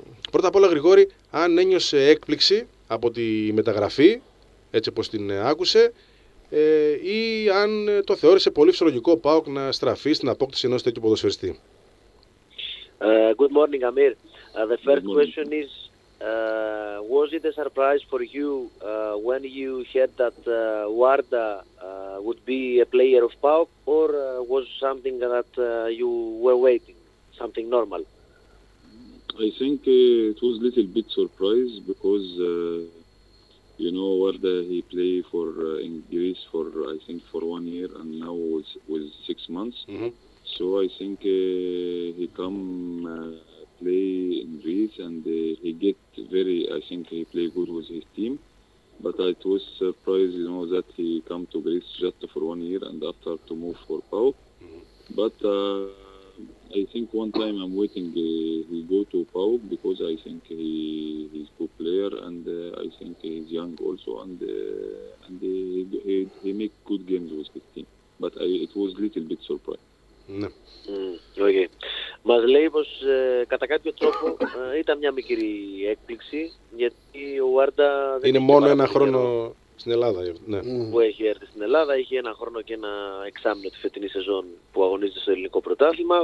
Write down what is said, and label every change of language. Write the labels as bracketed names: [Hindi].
[Greek] Πρώτα απ' όλα, Γρηγόρη, αν ένιωσε έκπληξη από τη μεταγραφή, έτσι όπως την άκουσε, ή αν το θεώρησε πολύ φυσιολογικό ο ΠΑΟΚ να στραφεί στην απόκτηση ενός τέτοιου ποδοσφαιριστή. [English] Good morning, Amir. The first question is, was it a surprise for you when you heard that Warda would be a player of ΠΑΟΚ, or was something that you were waiting, something normal? I think it was a little bit surprise because, you know, Warda, he played for in Greece for, I think, for 1 year, and now with 6 months. Mm-hmm. So I think he come play in Greece, and he get very, I think he play good with his team. But it was surprised, you know, that he come to Greece just for 1 year and after to move for Pau. Mm-hmm. But I think one time I'm waiting he go to Pau because I think he's good player, and I think he's young also, and he make good games with his team. But it was a little bit surprised. [Greek] Ναι. [English] Okay. [Greek] Μας λέει πως κατά κάποιο τρόπο ήταν μια μικρή έκπληξη, γιατί ο Βάρντα δεν είναι μόνο ένα χρόνο στην Ελλάδα. Ναι. Που έχει έρθει στην Ελλάδα, είχε ένα χρόνο και ένα εξάμεινο τη φετινή σεζόν που αγωνίζεται στο ελληνικό πρωτάθλημα.